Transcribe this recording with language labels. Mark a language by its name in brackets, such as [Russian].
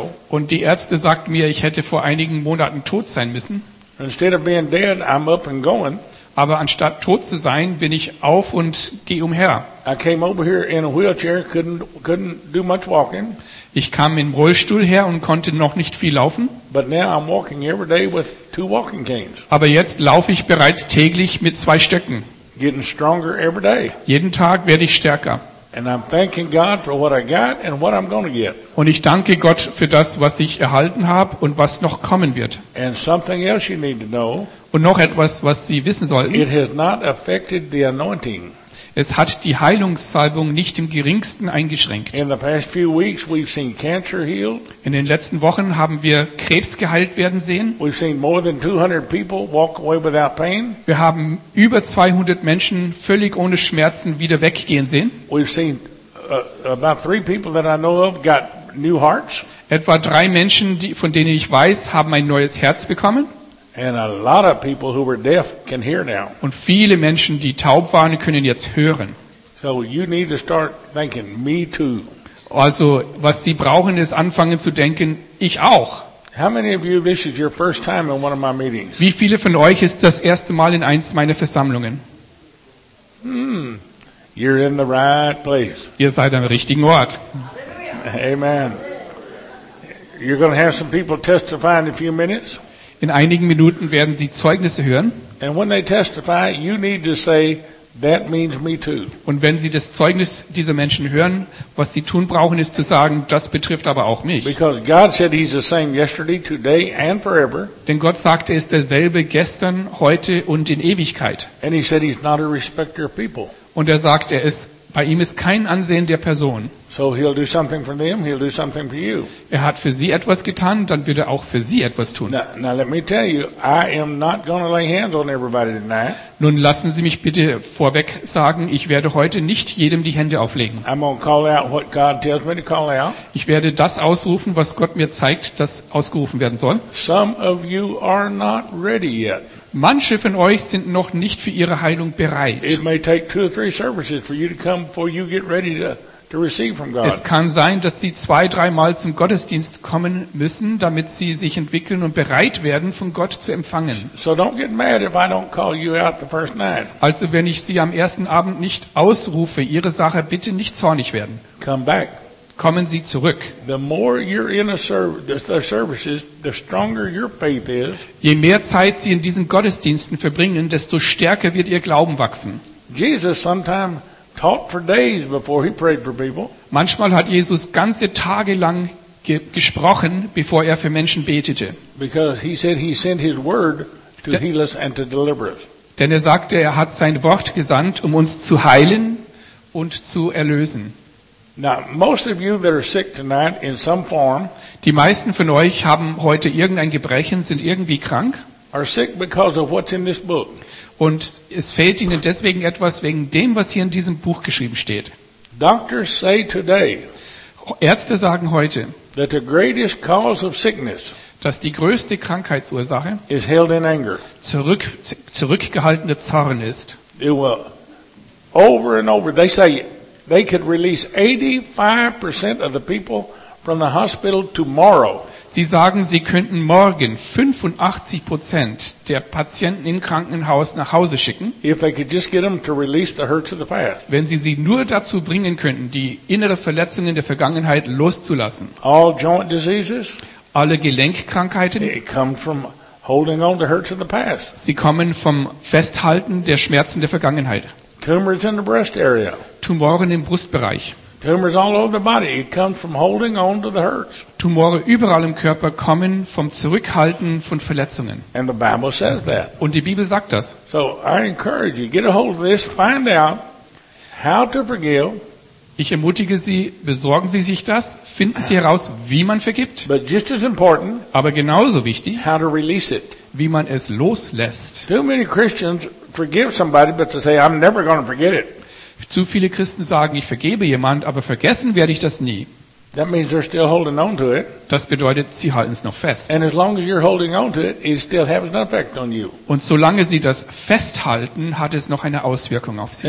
[German] Und die Ärzte sagten mir, ich hätte vor einigen Monaten tot sein müssen. [English] Instead of being dead, I'm up and going. [German] Aber anstatt tot zu sein, bin ich auf und gehe umher. [English] I came over here in a wheelchair, couldn't do much walking. [German] Ich kam im Rollstuhl her und konnte noch nicht viel laufen. [English] But now I'm walking every day with two walking canes. [German] Aber jetzt laufe ich bereits täglich mit zwei Stöcken. [English] Getting stronger every day. [German] Jeden Tag werde ich stärker. [English] And I'm thanking God for what I got and what I'm going to get. [German] Und ich danke Gott für das, was ich erhalten habe und was noch kommen wird. [English] And something else you need to know. [German] Und noch etwas, was Sie wissen sollten. [English] It has not affected the anointing. [German] Es hat die Heilungssalbung nicht im geringsten eingeschränkt. [English] In the past few weeks we've seen cancer healed. [German] In den letzten Wochen haben wir Krebs geheilt werden sehen. [English] We've seen more than 200 people walk away without pain. [German] Wir haben über 200 Menschen völlig ohne Schmerzen wieder weggehen sehen. [English] We've seen about 3 people that I know of got new hearts. [German] Etwa 3 Menschen, von denen ich weiß, haben ein neues Herz bekommen. [English] And a lot of people who were deaf can hear now. [German] Und viele Menschen, die taub waren, können jetzt hören. [English] So you need to start thinking, me too. [German] Also, was Sie brauchen, ist anfangen zu denken, ich auch. [English] How many of you, this is your first time in one of my meetings? [German] Wie viele von euch ist das erste Mal in eins meiner Versammlungen? [English] You're in the right place. [German] Ihr seid am richtigen Ort. [English] Amen. You're going to have some people testify in a few minutes. [German] In einigen Minuten werden Sie Zeugnisse hören. [English] And when they testify, you need to say, that means me too. [German] Und wenn Sie das Zeugnis dieser Menschen hören, was Sie tun brauchen, ist zu sagen, das betrifft aber auch mich. [English] Because God said he's the same yesterday, today and forever. [German] Denn Gott sagte, er ist derselbe gestern, heute und in Ewigkeit. [English] And he said he's not a respecter of people. [German] Und er sagt, er ist, bei ihm ist kein Ansehen der Person. [English] So he'll do something for them, he'll do something for you. [German] Er hat für sie etwas getan, dann wird er auch für sie etwas tun. [English] Now let me tell you, I am not going to lay hands on everybody tonight. [German] Nun lassen Sie mich bitte vorweg sagen, ich werde heute nicht jedem die Hände auflegen. [English] I'm going to call out what God tells me to call out. [German] Ich werde das ausrufen, was Gott mir zeigt, das ausgerufen werden soll. [English] Some of you are not ready yet. [German] Manche von euch sind noch nicht für ihre Heilung bereit. [English] It may take two or three services for you to come before you get ready to receive from God. [German] Es kann sein, dass sie zwei, dreimal zum Gottesdienst kommen müssen, damit sie sich entwickeln und bereit werden, von Gott zu empfangen. [English] So don't get mad if I don't call you out the first night. [German] Also wenn ich sie am ersten Abend nicht ausrufe, ihre Sache, bitte nicht zornig werden. [English] Come back. [German] Kommen Sie zurück. [English] The more you're in a services, the stronger your faith is. [German] Je mehr Zeit Sie in diesen Gottesdiensten verbringen, desto stärker wird Ihr Glauben wachsen. [English] Jesus sometimes taught for days before he prayed for people. [German] Manchmal hat Jesus ganze Tage lang gesprochen, bevor er für Menschen betete. [English] Because he said he sent his word to heal us and to deliver us. [German] Denn er sagte, er hat sein Wort gesandt, um uns zu heilen und zu erlösen. [English] Now, most of you that are sick tonight in some form. [German] Die meisten von euch haben heute irgendein Gebrechen, sind irgendwie krank. [English] Are sick because of what's in this book. [German] Und es fehlt ihnen deswegen etwas wegen dem, was hier in diesem Buch geschrieben steht. [English] Doctors say today. [German] Ärzte sagen heute. [English] That the greatest cause of sickness. [German] Dass die größte Krankheitsursache. [English] Is held in anger. [German] Zurückgehaltener Zorn ist. [English] It will. Over and over, they say. They could release 85% of the people from the hospital tomorrow. [German] Sie sagen, sie könnten morgen 85% der Patienten im Krankenhaus nach Hause schicken. [English] If they could just get them to release the hurts of the past. [German] Wenn sie sie nur dazu bringen könnten, die innere Verletzungen der Vergangenheit loszulassen. [English] All joint diseases. [German] Alle Gelenkkrankheiten. [English] They come from holding on to hurts of the past. [German] Sie kommen vom Festhalten der Schmerzen der Vergangenheit. [English] Tumors in the breast area. [German] Tumoren im Brustbereich. [English] Tumors all over the body. It comes from holding on to the hurts. [German] Tumore überall im Körper kommen vom Zurückhalten von Verletzungen. [English] And the Bible says that. [German] Und die Bibel sagt das. [English] So I encourage you, get a hold of this, find out how to forgive. [German] Ich ermutige Sie, besorgen Sie sich das, finden Sie heraus, wie man vergibt. [English] But just as important, [German] aber genauso wichtig, [English] how to release it. [German] Wie man es loslässt. [English] Too many Christians forgive somebody, but to say, I'm never going to forget it. [German] Zu viele Christen sagen, ich vergebe jemand, aber vergessen werde ich das nie. [English] That means they're still holding on to it. [German] Das bedeutet, sie halten es noch fest. [English] And as long as you're holding on to it, it still has an effect on you. [German] Und solange sie das festhalten, hat es noch eine Auswirkung auf sie.